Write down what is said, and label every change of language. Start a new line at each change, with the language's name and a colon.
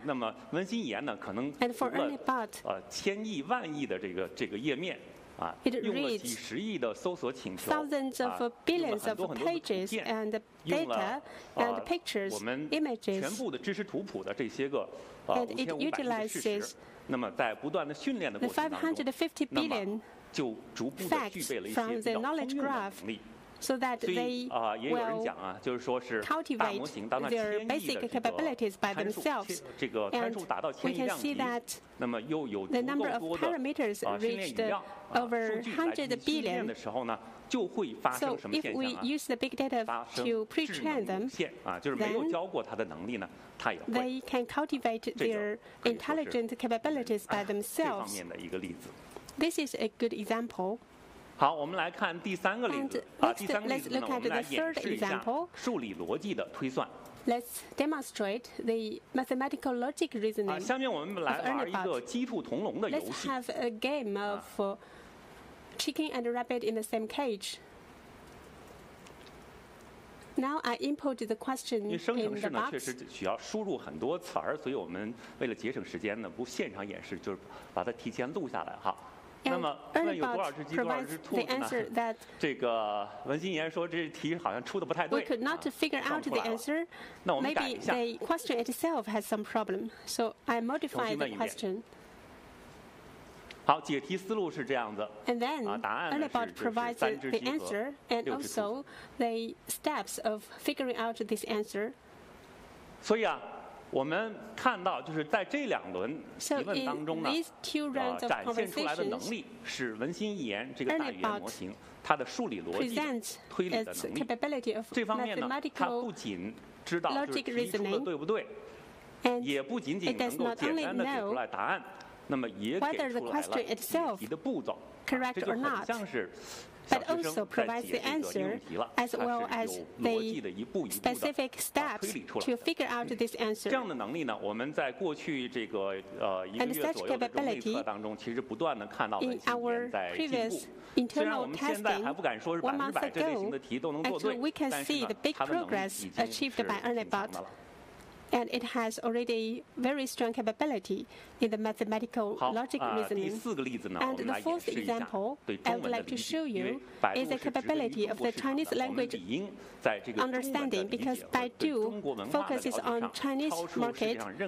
Chinese: 那么文心语呢，可能除了千亿万亿的这个页面啊，用了几十亿的搜索请求啊，用了很多很多的图片，用了
English: pictures,
Chinese: 我们全部的知识图谱的这些个5500事实。那么在不断的训练的过程当中，那么就逐步的具备了一些比较丰富的能力。
English: So that they will cultivate their basic capabilities by themselves. And we can see that the number of parameters reached over 100 billion. So if we use the big data to pre-train them, then they can cultivate their intelligent capabilities by themselves. This is a good example.
Chinese: 好，我们来看第三个例子。
English: Let's look at the third example.
Chinese: 数理逻辑的推算。
English: Let's demonstrate the mathematical logic reasoning.
Chinese: 下面我们来玩一个鸡兔同笼的游戏。
English: Let's have a game of chicken and rabbit in the same cage. Now I input the question in the box.
Chinese: 因为生成式呢，确实需要输入很多词儿，所以我们为了节省时间呢，不现场演示，就是把它提前录下来哈。那么，有多少只鸡，多少只兔子呢？这个文心言说，这题好像出的不太对。
English: We could not figure out the answer. Maybe the question itself has some problem. So I modify the question.
Chinese: 好，解题思路是这样子。
English: And then, Ernie Bot provides the answer and also the steps of figuring out this answer.
Chinese: 所以啊。我们看到就是在这两轮提问当中呢、展现出来的能力是文心一言这个大语言模型它的数理逻辑的推理的能力这方面呢它不仅知道就是提出的对不对也不仅仅能够简单的解出来答案那么也给出来了解题的步骤、这就很像是
English: But also provides the answer as well as the specific steps to figure out this answer.
Chinese: 这样的能力呢，我们在过去这个一个月左右的中内测当中，其实不断的看到文心语言在进步。
English: In our previous internal testing,
Chinese: 虽然我们现在还不敢说是100%这类型的题都能做对，但是呢，它的能力已经是挺强的了。
English: And it has already very strong capability in the mathematical logic reasoning. And the fourth example I would like to show you is the capability of the Chinese language understanding because Baidu focuses on Chinese market.